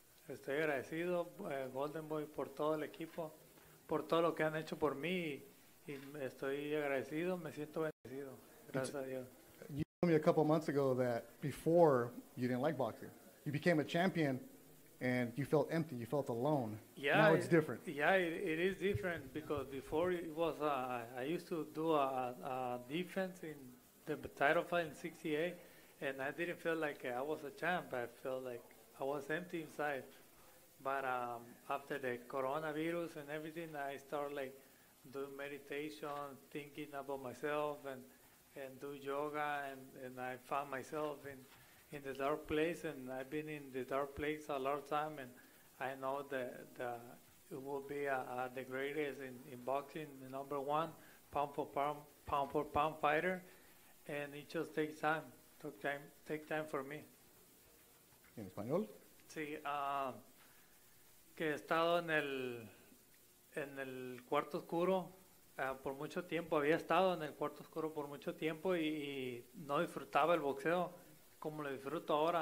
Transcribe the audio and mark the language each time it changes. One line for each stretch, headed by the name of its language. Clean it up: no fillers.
Spanish: Estoy agradecido, Golden Boy, por todo el equipo, por todo lo que han hecho por mí, y estoy agradecido, me siento bendecido. Gracias a Dios.
English: You told me a couple months ago that before you didn't like boxing. You became a champion, and you felt empty, you felt alone. Yeah, now it's different. Yeah, it is different, because before it was, I used to do a defense in the title fight in 68, and I didn't feel like I was a champ. I felt like I was empty inside. But after the coronavirus and everything, I started like doing meditation, thinking about myself, and do yoga, and I found myself in the dark place, and I've been in the dark place a lot of time, and I know that it will be the greatest in boxing, the number one pound for pound fighter, and it just takes time. Take time for me.
Spanish: ¿En español? Sí, que he estado en el cuarto oscuro por mucho tiempo, había estado en el cuarto oscuro por mucho tiempo y no disfrutaba el boxeo como lo disfruto ahora.